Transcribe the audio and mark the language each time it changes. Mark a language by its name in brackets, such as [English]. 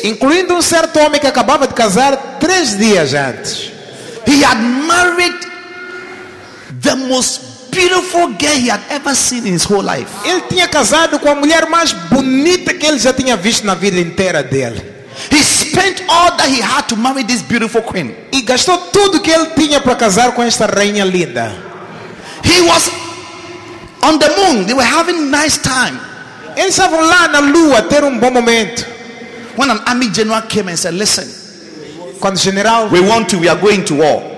[Portuguese] Incluindo certo homem que acabava de casar 3 dias antes. [English] He had married the most beautiful girl he had ever seen in his whole life. [Portuguese] Ele tinha casado com a mulher mais bonita que ele já tinha visto na vida inteira dele. [English] He spent all that he had to marry this beautiful queen. [Portuguese] E gastou tudo que ele tinha para casar com esta rainha linda. [English] He was on the moon. They were having a nice time. [Portuguese] Eles estavam lá na lua ter bom momento. [English] When an army general came and said, "Listen, [Portuguese] quando general, [English] we want you. We are going to war."